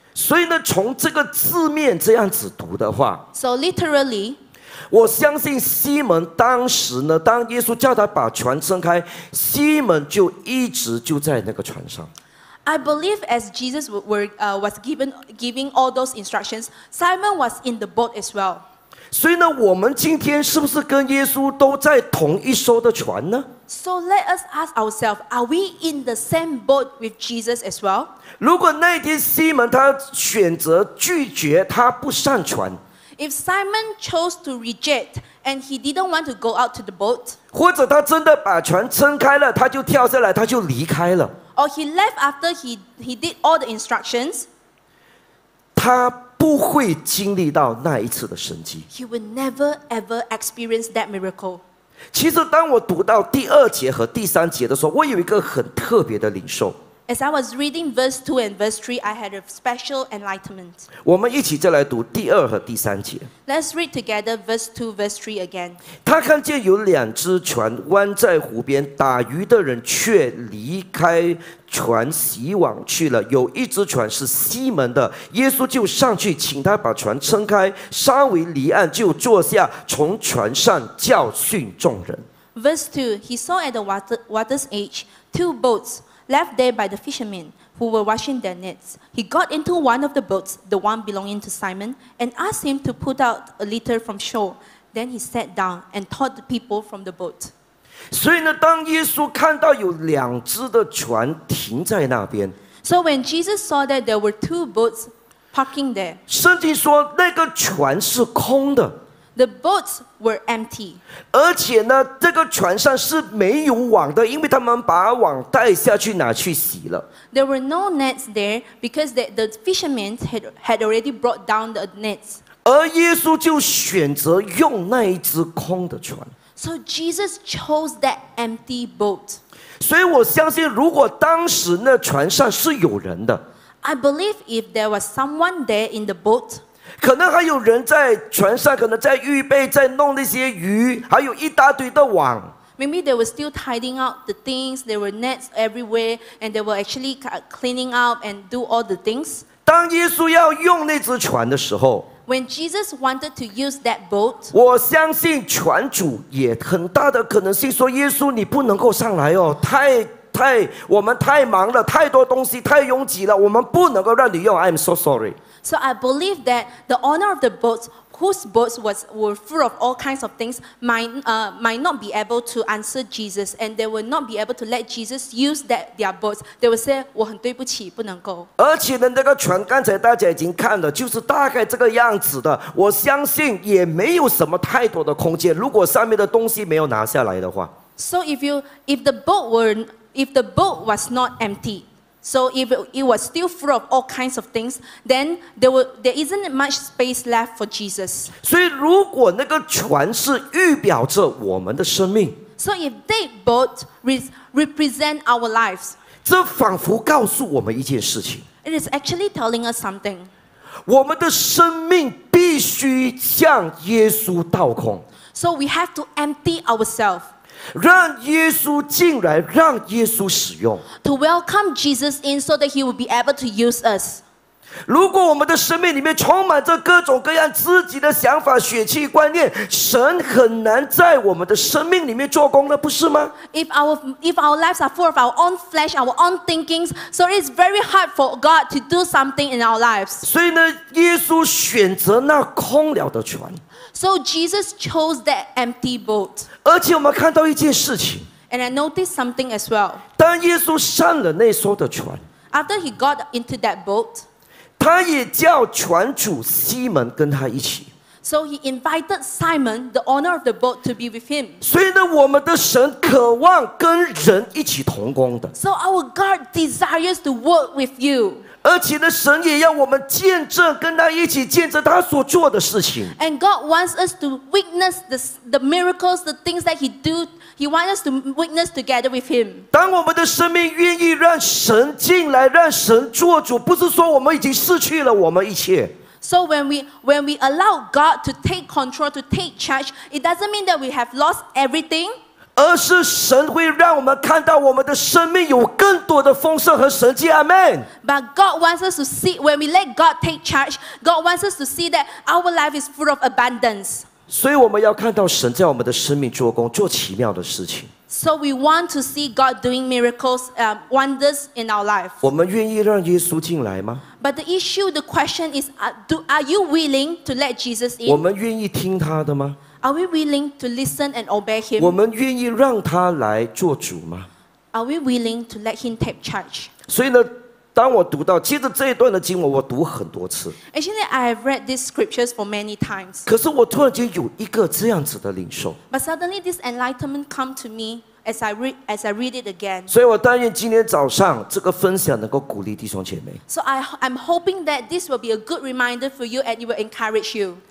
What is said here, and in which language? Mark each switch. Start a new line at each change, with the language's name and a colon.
Chinese: 所以呢，从这个字面这样子读的话
English: ，So literally。
Chinese: 我相信西门当时呢，当耶稣叫他把船撑开，西门就一直就在那个船上。
English: I believe as Jesus was giving all those instructions, Simon was in the boat as well.
Chinese: 所以呢，我们今天是不是跟耶稣都在同一艘的船呢？
English: So let us ask ourselves, are we in the same boat with Jesus as well?
Chinese: 如果那天西门他选择拒绝，他不上船。
English: If Simon chose to reject and he didn't want to go out to the boat,
Chinese: 或者他真的把船撑开了，他就跳下来，他就离开了。
English: Or he left after he did all the instructions.
Chinese: 他不会经历到那一次的神迹。
English: He will never ever experience that miracle.
Chinese: 其实当我读到第二节和第三节的时候，我有一个很特别的领受。
English: As I was reading verse 2 and verse 3, I had a special enlightenment.
Chinese: 我们一起再来读第二和第三节。
English: Let's read together verse 2, verse 3 again.
Chinese: 他看见有两只船弯在湖边，打鱼的人却离开船洗网去了。有一只船是西门的，耶稣就上去请他把船撑开，稍微离岸就坐下，从船上教训众人。
English: Verse 2, he saw at the water's edge two boats,left there by the fishermen who were washing their nets. He got into one of the boats, the one belonging to Simon, and asked him to put out a little from shore. Then he sat down and taught the people from the boat.
Chinese: 所以呢，当耶稣看到有两只的船停在那边，
English: So when Jesus saw that there were two boats parking there,
Chinese: 圣经说那个船是空的。
English: The boats were empty.
Chinese: 而且呢，这个船上是没有网的，因为他们把网带下去拿去洗了。
English: There were no nets there because the fishermen had already brought down the nets.
Chinese: 而耶稣就选择用那一只空的船。
English: So Jesus chose that empty boat.
Chinese: 所以我相信，如果当时那船上是有人的
English: ，I believe if there was someone there in the boat.
Chinese: 可能还有人在船上，可能在预备，在弄那些鱼，还有一大堆的网。
English: Maybe they were still tidying out the things. There were nets everywhere, and they were actually cleaning up and do all the things.
Chinese: 当耶稣要用那只船的时候
English: ，When Jesus wanted to use that boat,
Chinese: 我相信船主也很大的可能性说：“耶稣，你不能够上来哦，太我们太忙了，太多东西，太拥挤了，我们不能够让你用。
English: I'm so sorry.” So I believe that the owner of the boats, whose boats were full of all kinds of things, might not be able to answer Jesus, and they will not be able to let Jesus use their boats. They will say,
Chinese: 我很对不起，不能够。而且呢，那个船刚才大家已经看了，就是大概这个样子的。我相信也没有什么太多的空间，如果上面的东西没有拿下来的话。
English: So if the boat was not empty,So if it was still full of all kinds of things, then there isn't much space left for Jesus.
Chinese: 所以如果那个船是预表着我们的生命
English: ，So if that boat represent our lives,
Chinese: 这仿佛告诉我们一件事情。
English: It is actually telling us something.
Chinese: 我们的生命必须向耶稣倒空。
English: So we have to empty ourselves.
Chinese: 让耶稣进来，让耶稣使用。
English: To welcome Jesus in, so that He will be able to use us.
Chinese: 如果我们的生命里面充满着各种各样自己的想法、血气观念，神很难在我们的生命里面做工了，不是吗
English: ？If our lives are full of our own flesh, our own thinkings, so it's very hard for God to do something in our lives.
Chinese: 所以呢，耶稣选择那空了的船。
English: So Jesus chose that empty boat.
Chinese: 而且我们看到一件事情。
English: And I noticed something as well.
Chinese: 当耶稣上了那艘的船。
English: After he got into that boat.
Chinese: 他也叫船主西门跟他一起。
English: So he invited Simon, the owner of the boat, to be with him.
Chinese: 所以呢，我们的神渴望跟人一起同工的。
English: So our God desires to work with you.
Chinese: 而且呢，神也要我们见证，跟他一起见证他所做的事情。
English: And God wants us to witness the miracles, the things that He do. He wants us to witness together with Him.
Chinese: 当我们的生命愿意让神进来，让神做主，不是说我们已经失去了我们一切。
English: So when we allow God to take control, to take charge, it doesn't mean that we have lost everything.
Chinese: 而是神会让我们看到我们的生命有更多的丰盛和神迹，阿门。
English: But God wants us to see when we let God take charge. God wants us to see that our life is full of abundance.
Chinese: 所以我们要看到神在我们的生命做工，做奇妙的事情。
English: So we want to see God doing miracles, wonders in our life.
Chinese: 我们愿意让耶稣进来吗
English: ？But the issue, the question is, are you willing to let Jesus in?
Chinese: 我们愿意听他的吗？
English: Are we willing to listen and obey him?
Chinese: 我们愿意让他来做主吗
English: ？Are we willing to let him take charge?
Chinese: 所以呢，当我读到接着这一段的经文，我读很多次。
English: Actually, I've read these scriptures for many times.
Chinese: 可是我突然间有一个这样子的领受。
English: But suddenly, this enlightenment come to me as I read it again.
Chinese: 所以我但愿今天早上这个分享能够鼓励弟兄姐妹。
English: So I'm hoping that this will be a good reminder for you and it will encourage you.